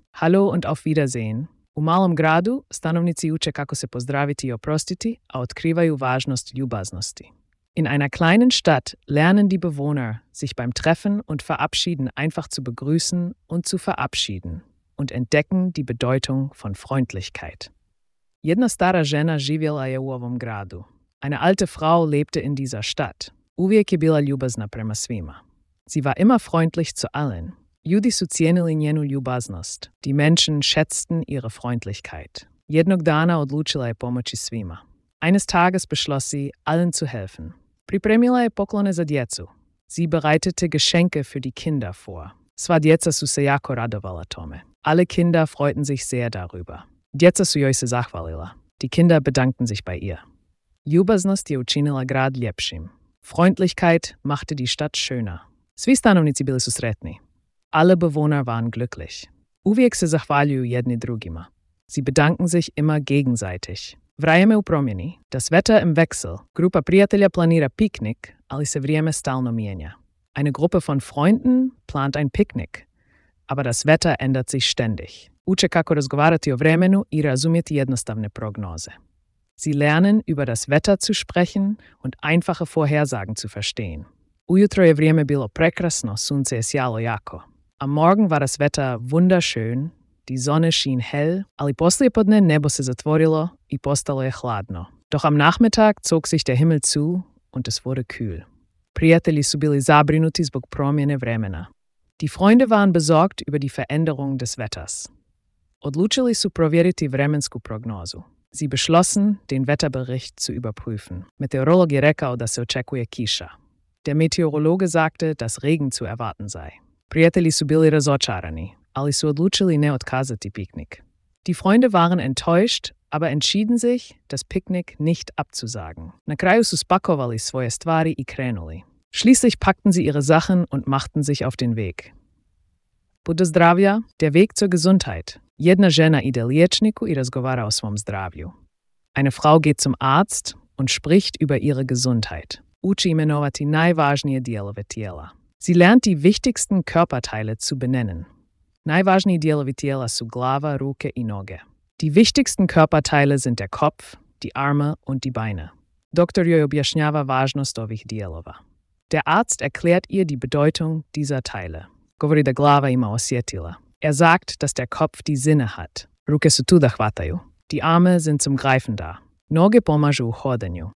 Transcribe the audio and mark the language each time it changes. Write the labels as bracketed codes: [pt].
[de] Hallo und auf Wiedersehen. [hr] U malom gradu stanovnici uče kako se pozdraviti i oprostiti, a otkrivaju važnost ljubaznosti. [de] In einer kleinen Stadt lernen die Bewohner, sich beim Treffen und Verabschieden einfach zu begrüßen und zu verabschieden und entdecken die Bedeutung von Freundlichkeit. [hr] Jedna stara žena živjela je u ovom gradu. [de] Eine alte Frau lebte in dieser Stadt. [hr] Uvijek je bila ljubazna prema svima. [de] Sie war immer freundlich zu allen. [hr] Ljudi su cijenili njenu ljubaznost. [de] Die Menschen schätzten ihre Freundlichkeit. [hr] Jednog dana odlučila je pomoći svima. [de] Eines Tages beschloss sie, allen zu helfen. [hr] Pripremila je poklone za djecu. [de] Sie bereitete Geschenke für die Kinder vor. [hr] Sva djeca su se jako radovala tome. [de] Alle Kinder freuten sich sehr darüber. [hr] Djeca su joj se zahvalila. [de] Die Kinder bedankten sich bei ihr. [hr] Ljubaznost je učinila grad ljepšim. [de] Freundlichkeit machte die Stadt schöner. [hr] Svi stanovnici bili su sretni. [de] Alle Bewohner waren glücklich. [hr] Uvijek se zahvaljuju jedni drugima. [de] Sie bedanken sich immer gegenseitig. [hr] Vrijeme u promjeni. [de] Das Wetter im Wechsel. [hr] Grupa prijatelja planira piknik, ali se vrijeme stalno mijenja. [de] Eine Gruppe von Freunden plant ein Picknick. Aber das Wetter ändert sich ständig. [hr] Uče kako razgovarati o vremenu i razumjeti jednostavne prognoze. [de] Sie lernen, über das Wetter zu sprechen und einfache Vorhersagen zu verstehen. [hr] Ujutro je vrijeme bilo prekrasno, sunce je sjalo jako. [de] Am Morgen war das Wetter wunderschön, die Sonne schien hell, [hr] ali poslijepodne nebo se zatvorilo i postalo je hladno. [de] Doch am Nachmittag zog sich der Himmel zu und es wurde kühl. [hr] Prijatelji su bili zabrinuti zbog promjene vremena. [de] Die Freunde waren besorgt über die Veränderung des Wetters. [hr] Odlučili su provjeriti vremensku prognozu. [de] Sie beschlossen, den Wetterbericht zu überprüfen. [hr] Meteorolog je rekao da se očekuje kiša. [de] Der Meteorologe sagte, dass Regen zu erwarten sei. [hr] Prijatelji su bili razočarani, ali su odlučili ne otkazati piknik. [de] Die Freunde waren enttäuscht, aber entschieden sich, das Picknick nicht abzusagen. [hr] Na kraju su spakovali svoje stvari i krenuli. [de] Schließlich packten sie ihre Sachen und machten sich auf den Weg. [hr] Budu zdravlja, [de] der Weg zur Gesundheit. [hr] Jedna žena ide liječniku i razgovara o svom zdravlju. [de] Eine Frau geht zum Arzt und spricht über ihre Gesundheit. [hr] Uči imenovati najvažnije dijelove tijela. [de] Sie lernt die wichtigsten Körperteile zu benennen. [hr] Najvažniji dijelovi tijela su glava, ruke i noge. [de] Die wichtigsten Körperteile sind der Kopf, die Arme und die Beine. [hr] Doktor joj objašnjava važnost ovih dijelova. [de] Der Arzt erklärt ihr die Bedeutung dieser Teile. [hr] Govori da glava ima osjetila. [de] Er sagt, dass der Kopf die Sinne hat. [hr] Ruke su tu da hvataju. [de] Die Arme sind zum Greifen da. [hr] Noge pomažu u hodanju.